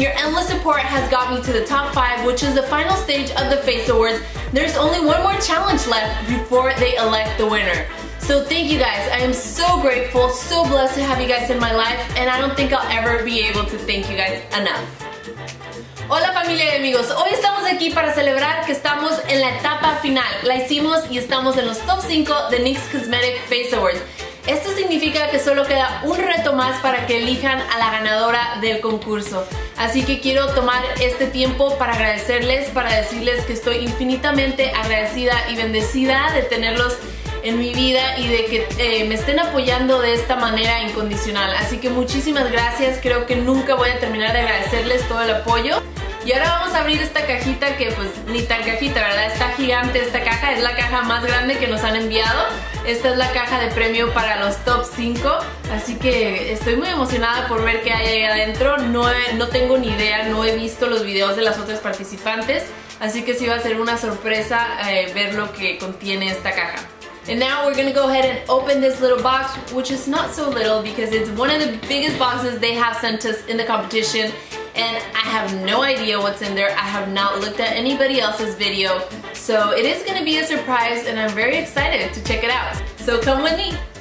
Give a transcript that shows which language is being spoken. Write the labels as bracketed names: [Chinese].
[English] Your endless support has got me to the top 5, which is the final stage of the Face Awards. There's only one more challenge left before they elect the winner. So thank you guys. I am so grateful, so blessed to have you guys in my life, and I don't think I'll ever be able to thank you guys enough. [Spanish] Hola familia y amigos, hoy estamos aquí para celebrar que estamos en la etapa final. La hicimos y estamos en los top 5 de NYX Cosmetic Face Awards. Esto significa que solo queda un reto más para que elijan a la ganadora del concurso. Así que quiero tomar este tiempo para agradecerles, para decirles que estoy infinitamente agradecida y bendecida de tenerlos en mi vida y de que me estén apoyando de esta manera incondicional. Así que muchísimas gracias, creo que nunca voy a terminar de agradecerles todo el apoyo. Y ahora vamos a abrir esta cajita que pues ni tan cajita, ¿verdad? Está gigante esta caja, es la caja más grande que nos han enviado. Esta es la caja de premio para los top 5. Así que estoy muy emocionada por ver qué hay ahí adentro. No tengo ni idea, no he visto los videos de las otras participantes. Así que sí va a ser una sorpresa ver lo que contiene esta caja. [English] And now we're gonna go ahead and open this little box, which is not so little because it's one of the biggest boxes they have sent us in the competition. And I have no idea what's in there. I have not looked at anybody else's video. So it is gonna be a surprise and I'm very excited to check it out. So come with me.